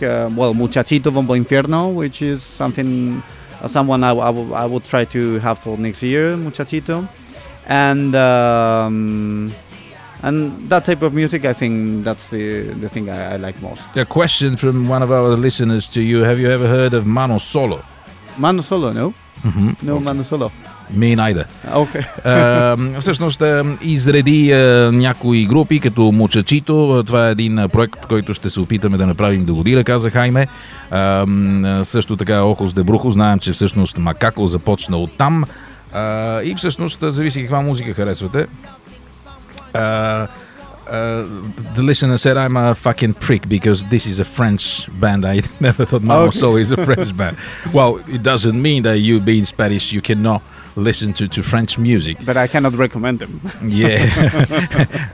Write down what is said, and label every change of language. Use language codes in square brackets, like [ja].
[en] Well, Muchachito Bombo Infierno, which is something, someone I would try to have for next year, Muchachito, and that type of music, I think that's the thing I like most. A question from one of our listeners to you: have you ever heard of Mano Solo? Mano Solo, no. Mm-hmm. No, okay. Mano Solo. Me neither. Okay. [bg] Всъщност изреди някои групи като Мучачито. Това е един проект, който ще се опитаме да направим до година, каза Хайме. Също така Охос де Брухо. Знаем, че всъщност Макако започна от там. И всъщност зависи каква музика харесвате. [en] The listener said I'm a fucking prick because this is a French band. I never thought Mano Solo is a French band. Well, it doesn't mean that you being Spanish, you cannot listen to French music. But I cannot recommend them. Yeah.